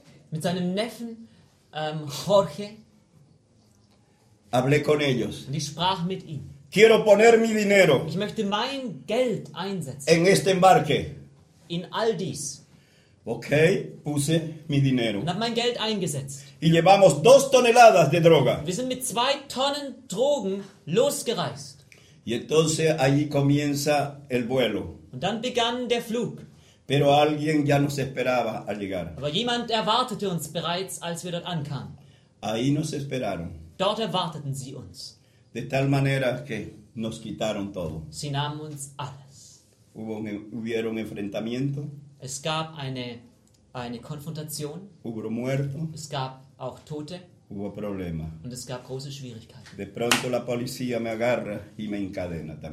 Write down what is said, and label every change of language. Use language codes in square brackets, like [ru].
[de] Mit seinem Neffen, Jorge. [es] Hablé con ellos. [de] Und ich sprach mit ihm. [es] Quiero poner mi dinero. [de] Ich möchte mein Geld einsetzen. [es] En este embarque. [de] In all dies. [es] Okay, puse mi dinero. [de] Und hab mein Geld eingesetzt. [es] Y llevamos 2 toneladas de droga. [de] Wir sind mit 2 Tonnen Drogen losgereist. [es] Y entonces allí comienza el vuelo. [de] Und dann begann der Flug. [es] Pero alguien ya nos esperaba al llegar. [de] Aber jemand erwartete uns bereits, als wir dort ankamen. [es] Ahí nos esperaron. [de] Dort erwarteten sie uns. [es] De tal manera que nos quitaron todo. [de] Sie nahmen uns alles. [es] Hubieron enfrentamiento. [de] Es gab eine Konfrontation. [es] Hubo muerto. [de] Es gab auch Tote. [es] Hubo problema. [de] Und es gab große Schwierigkeiten. [es] De pronto la policía me agarra y me encadena también.